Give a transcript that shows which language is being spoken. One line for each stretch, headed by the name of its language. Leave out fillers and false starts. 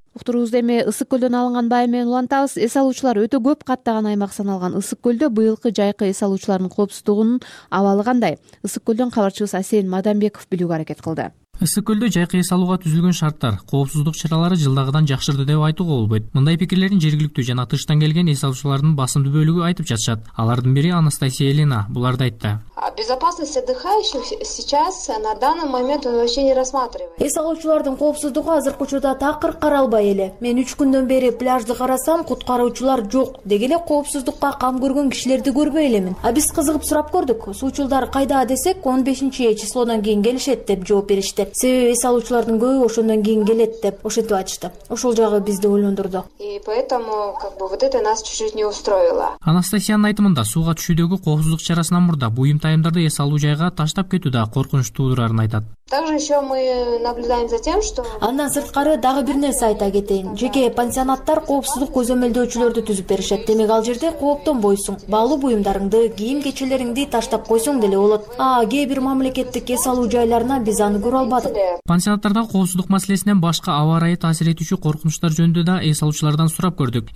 Kyrgyz: Уктуруубузду эми Ысык Көлдөн алынган баа менен улантабыз. Эс алуучулар өтө көп каттаган аймак саналган Ысык Көлдө быйылкы жайкы эс алуучулардын коопсуздугунун абалы кандай? Ысык Көлдөн кабарчыбыз Асен Мадамбеков билүүгө аракет кылды. Ысык көлдө жайкы эс алууга түзүлгөн шарттар, коопсуздук чаралары жылдагыдан жакшырды деп айтууга болбойт. Мындай пикирлерин жергиликтүү жана тыштан келген эс алуучулардын басымдуу бөлүгү айтып жатышат. Алардын бири Анастасия Елена буларды айтты.
Russian: Безопасность отдыхающих сейчас на данный момент вообще не рассматривается.
Kyrgyz: Эс алуучулардын коопсуздугу азыркы учурда такыр каралбай эле. Мен 3 күндөн бери пляжды карасам, куткаруучулар жок. Деги эле коопсуздукка кам көргөн кишилерди көрбөй элемин. А биз кызыгып сурап көрдүк. Суучулдар кайда десек, 15-числодон кийин келишет деп жооп беришти. Себеби эс алуучулардын көбү ошондон кийин келет деп ошентип айтышты. Ошол жагы бизди ойлондурду.
Russian: И поэтому вот это нас чуть-чуть не устроило.
Kyrgyz: Анастасиянын айтымында сууга түшүүдөгү коопсуздук чарасынан мурда буюм тайымдарды эс алуу жайга таштап кетүү да коркунуч туудурарын айтат.
Russian: Также еще мы наблюдаем за тем, что
Kyrgyz: андан сырткары дагы бир нерсе айта кетейин. Жеке пансионаттар коопсуздук көзөмөлдөөчүлөрдү түзүп беришет. Демек ал жерде кооптонбойсуң. Баалуу буюмдарыңды, кийим кечелериңди таштап койсоң деле болот. А кээ бир мамлекеттик эс алуу жайларына биз аны көрө албадык. Пансионаттардагы коопсуздук маселесинен башка аба ырайы таасир этүүчү коркунучтар жөнүндө да эс алуучулардан сурап көрдүк.